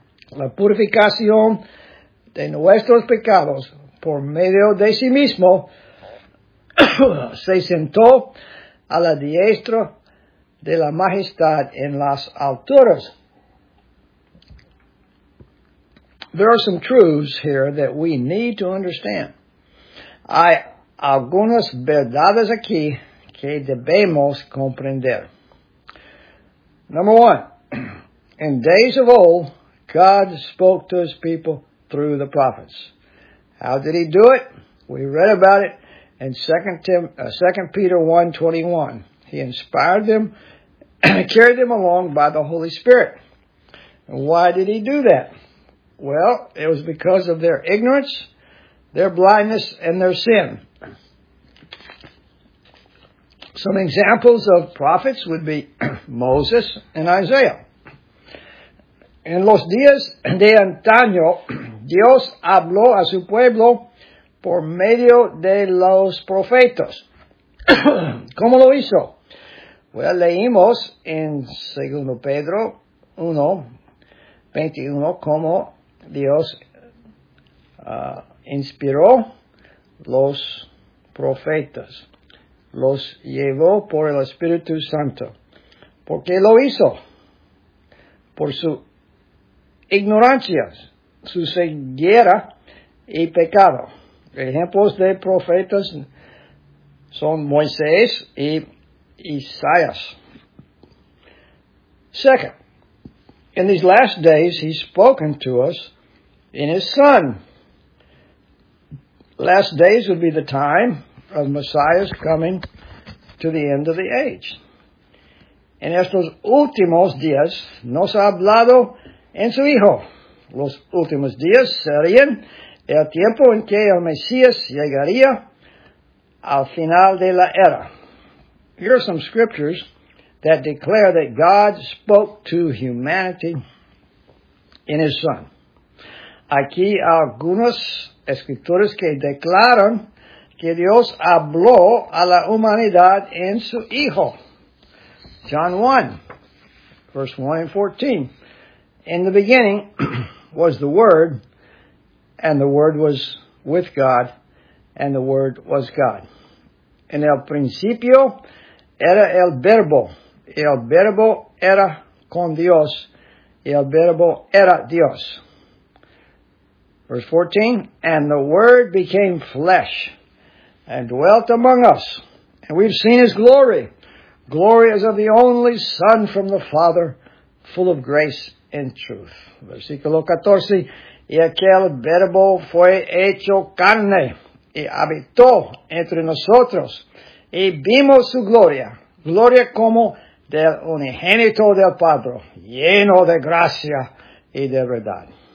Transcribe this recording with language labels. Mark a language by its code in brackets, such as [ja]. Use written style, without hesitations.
[es] la purificación de nuestros pecados por medio de sí mismo, se sentó a la diestra de la majestad en las alturas. [en] There are some truths here that we need to understand. [es] Hay algunas verdades aquí que debemos comprender. [en] Number one, in days of old, God spoke to his people through the prophets. How did he do it? We read about it and 2 Peter 1:21. He inspired them, carried them along by the Holy Spirit. And why did he do that? Well, it was because of their ignorance, their blindness, and their sin. Some examples of prophets would be Moses and Isaiah. [es] En los días de antaño, Dios habló a su pueblo por medio de los profetas. ¿Cómo lo hizo? Bueno, leímos en 2 Pedro 1:21 cómo Dios inspiró los profetas. Los llevó por el Espíritu Santo. ¿Por qué lo hizo? Por su ignorancia, su ceguera y pecado. Ejemplos de profetas son Moisés y Isaías. [en] Second, in these last days he's spoken to us in his Son. Last days would be the time of Messiah's coming to the end of the age. [es] En estos últimos días nos ha hablado en su Hijo. Los últimos días serían el tiempo en que el Mesías llegaría al final de la era. [en] Here are some scriptures that declare that God spoke to humanity in his Son. [es] Aquí algunas escrituras que declaran que Dios habló a la humanidad en su Hijo. [en] John 1:14. In the beginning was the Word, and the Word was with God, and the Word was God. [es] En el principio era el Verbo. El Verbo era con Dios. El Verbo era Dios. [en] Verse 14, and the Word became flesh and dwelt among us, and we've seen his glory. Glory as of the only Son from the Father, full of grace and truth. [es] Versículo 14, y aquel Verbo fue hecho carne, y habitó entre nosotros, y vimos su gloria, gloria como del unigénito del Padre, lleno de gracia y de verdad.